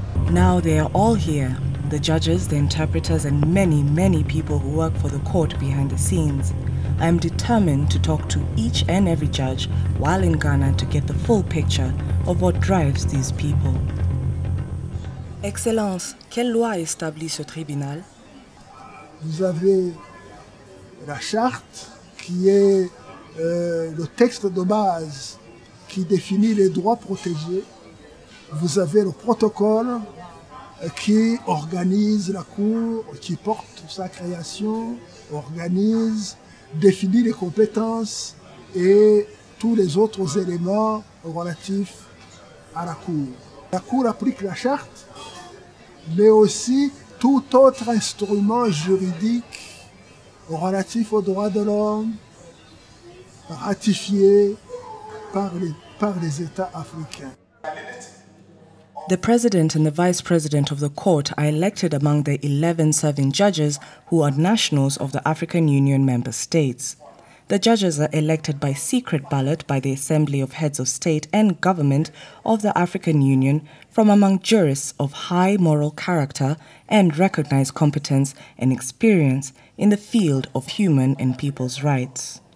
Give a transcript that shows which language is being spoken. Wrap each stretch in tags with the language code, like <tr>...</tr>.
<en>Now they are all here, the judges, the interpreters, and many, many people who work for the court behind the scenes. I am determined to talk to each and every judge while in Ghana to get the full picture of what drives these people.</en> <fr>Excellence, quelle loi établit ce tribunal? Vous avez la charte qui est le texte de base qui définit les droits protégés. Vous avez le protocole qui organise la cour, qui porte sa création, organise, définit les compétences et tous les autres éléments relatifs à la cour. La cour applique la charte, mais aussi tout autre instrument juridique relatif aux droits de l'homme ratifié par les États africains.</fr> <en>Candidate of The president and the vice president of the court are elected among the 11 serving judges who are nationals of the African Union member states. The judges are elected by secret ballot by the Assembly of Heads of State and Government of the African Union from among jurists of high moral character and recognized competence and experience in the field of human and people's rights.</en>